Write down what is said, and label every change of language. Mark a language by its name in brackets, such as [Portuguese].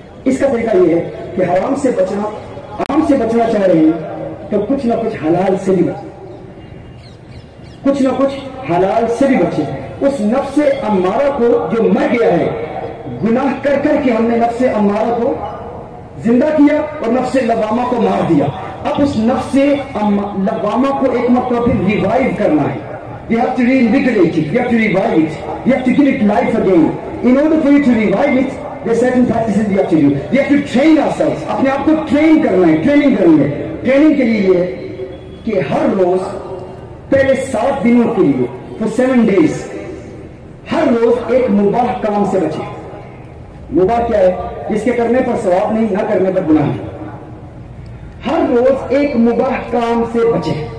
[Hindi] इसका तरीका यह है कि हराम से बचना, हराम से बचना चाह रहे हैं तो कुछ ना कुछ हलाल से भी बचे, कुछ ना कुछ हलाल से भी बचे। उस नफ्स अम्मारा को जो मर गया है, गुनाह कर करके हमने नफ्स अम्मारा को जिंदा किया और नफ्स लवामा को मार दिया। अब उस नफ्स लवामा को एक मतलब फिर रिवाइव करना है। [English] You have to reinvigorate it, you have to revive it, you have to give it life again. In order for you to revive it, there are certain practices you have to do. We have to train ourselves. [Hindi] अपने आप को train करना है, training करनी है। Training के लिए ये कि हर रोज पहले 7 दिनों के लिए, [English] for 7 days, [Hindi] हर रोज एक मुबाह काम से बचे। मुबाह क्या है? जिसके करने पर सवाब नहीं, ना करने पर गुनाह नहीं। हर रोज एक मुबाह काम से बचे।